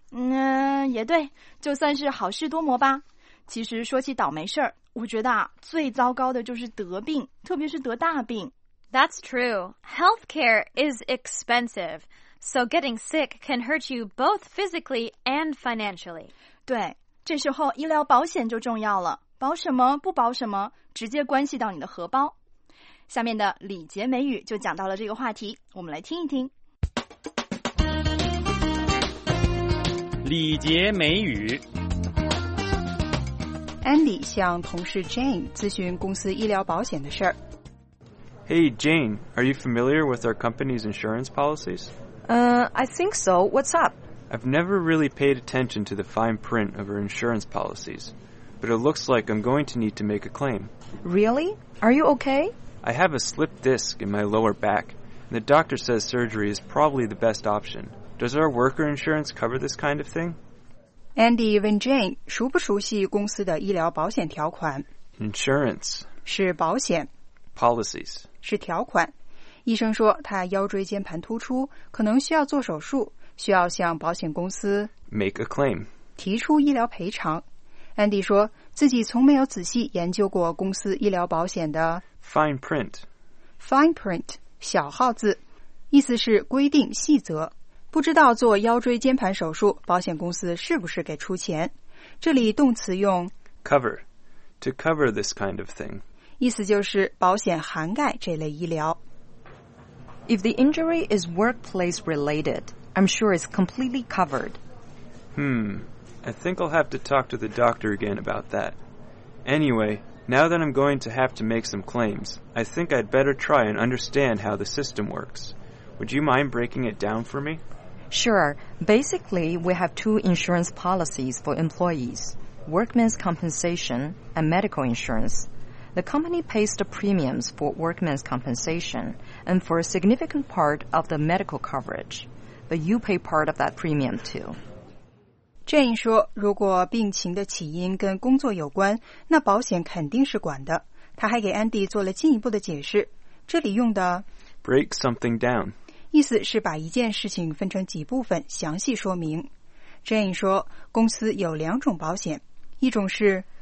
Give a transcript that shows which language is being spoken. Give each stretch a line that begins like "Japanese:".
Chinese: 嗯，也对，就算是好事多磨吧。其实说起倒霉事儿，我觉得啊，最糟糕的就是得病，特别是得大病。
English: That's true. Healthcare is expensive, so getting sick can hurt you both physically and financially.
Chinese: 对，这时候医疗保险就重要了。保什么，不保什么，直接关系到你的荷包。下面的李杰美语就讲到了这个话题，我们来听一听。李杰美语 Andy 向同事 Jane 咨询公司医疗保险的事儿。
English: Hey Jane, are you familiar with our company's insurance policies? I think so. What's up? I've never really paid attention to the fine print of our insurance policies, but it looks like I'm going to need to make a claim. Really? Are you okay? I have a slipped disc in my lower back, and the doctor says surgery is probably the best option. Does our worker insurance cover this kind of thing?
Chinese: Andy 问 Jane, 熟不熟悉公司的医疗保险条款?
English: Insurance
Chinese: 是保险。
English: Policies
Chinese: 是条款。医生说他腰椎间盘突出,可能需要做手术,需要向保险公司
English: make a claim,
Chinese: 提出医疗赔偿。 Andy 说自己从没有仔细研究过公司医疗保险的
English: fine print。
Chinese: Fine print, 小号字,意思是规定细则。不知道做腰椎间盘手术保险公司是不是给出钱。这里动词用
English: cover, to cover this kind of thing.
Chinese: 意思就是保险涵盖这类医疗。
English: If the injury is workplace related, I'm sure it's completely covered. I think I'll have to talk to the doctor again about that. Anyway, now that I'm going to have to make some claims, I think I'd better try and understand how the system works. Would you mind breaking it down for me? Sure. Basically, we have two insurance policies for employees, workmen's compensation and medical insurance. The company pays the premiums for workmen's compensation and for a significant part of the medical coverage. But you pay part of that premium too.
Chinese: Jane 说，如果病情的起因跟工作有关，那保险肯定是管的。他还给 Andy 做了进一步的解释。这里用的
English: break something down
Chinese: 意思是把一件事情分成几部分详细说明。 Jane 说公司有两种保险，一种是